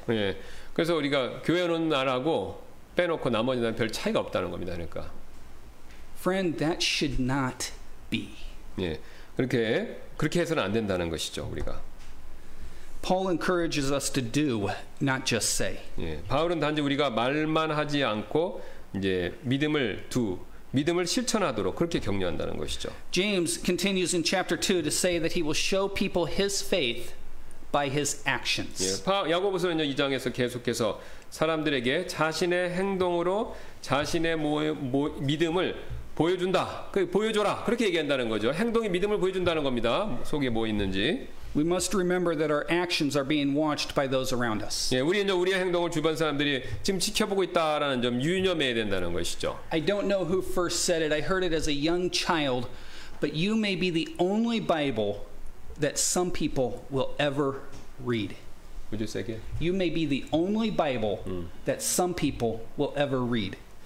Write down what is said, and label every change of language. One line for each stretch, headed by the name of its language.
Korean: 예. 그래서 우리가 교회는 나라고 빼놓고 나머지 날 별 차이가 없다는 겁니다. 그러니까.
English: Friend, that should not be.
Korean: 예, 그렇게 해서는 안 된다는 것이죠, 우리가.
English: Paul encourages us to do, not just say.
Korean: 예, 바울은 단지 우리가 말만 하지 않고 이제 믿음을 두. 믿음을 실천하도록 그렇게 격려한다는 것이죠.
English: James continues in chapter 2 to say that he will show people his faith by his actions.
Korean: 예, 야고보서는요 이 장에서 계속해서 사람들에게 자신의 행동으로 자신의 믿음을 보여준다. 보여줘라. 그렇게 얘기한다는 거죠. 행동이 믿음을 보여준다는 겁니다. 속에 뭐 있는지.
English: We must remember that our actions are being watched by those around us.
Korean: 예, 우리는 우리의 행동을 주변 사람들이 지금 지켜보고 있다라는 점 유념해야 된다는 것이죠.
English: I don't know who first said it. I heard it as a young child, but you may be the only Bible that some people will ever read. Would you say again? You may be the only Bible that some people will ever read.